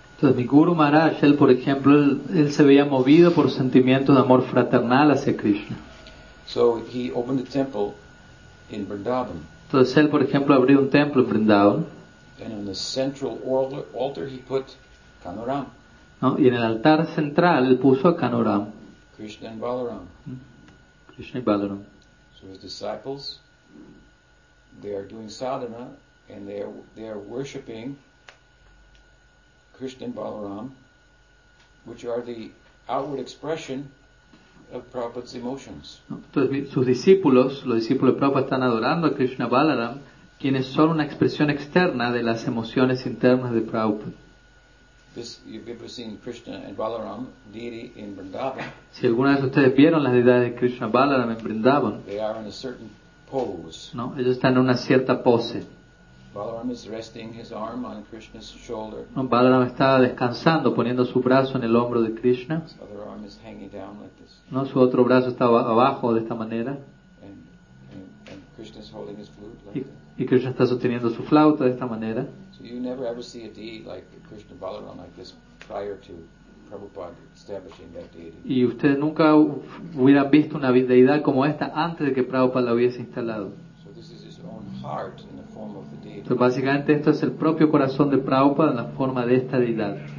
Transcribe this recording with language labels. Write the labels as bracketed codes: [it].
[es] Entonces, mi Guru Maharaj, él, por ejemplo, él se veía movido por sentimiento de amor fraternal hacia Krishna. [en] So he opened a temple in Vrindavan. [es] Entonces él, por ejemplo, abrió un templo en Vrindavan. [en] And on the central altar he put Kanuram. [es] ¿No? Y en el altar central él puso a Kanuram. [en] Krishna and Balaram. [es] Krishna y Balaram. [en] So his disciples, they are doing sadhana and they are worshipping Krishna and Balaram, which are the outward expression of Prabhupada's emotions. [es] Entonces, sus discípulos, los discípulos de Prabhupada, están adorando a Krishna Balaram, quienes son una expresión externa de las emociones internas de Prabhupada. [en] This, you've ever seen Krishna and Balaram deity in Vrindavan. [es] Si alguna vez ustedes vieron las deidades de Krishna Balaram en Vrindavan, [en] they are in a certain pose. [es] No, ellos están en una cierta pose. [en] Balaram is resting his arm on Krishna's shoulder. [es] No, Balaram está descansando, poniendo su brazo en el hombro de Krishna. [en] His other arm is hanging down like this. [es] No, su otro brazo está abajo de esta manera. [en] And Krishna is holding his flute like [es] this. Y Krishna está sosteniendo su flauta de esta manera. [en] So you never ever see a deity like Krishna Balaram like this prior to Prabhupada establishing that deity. [es] Y ustedes nunca hubieran visto una deidad como esta antes de que Prabhupada la hubiese instalado. [en] So this is his own heart. [es] Entonces, básicamente, esto es el propio corazón de Prabhupada en la forma de esta deidad.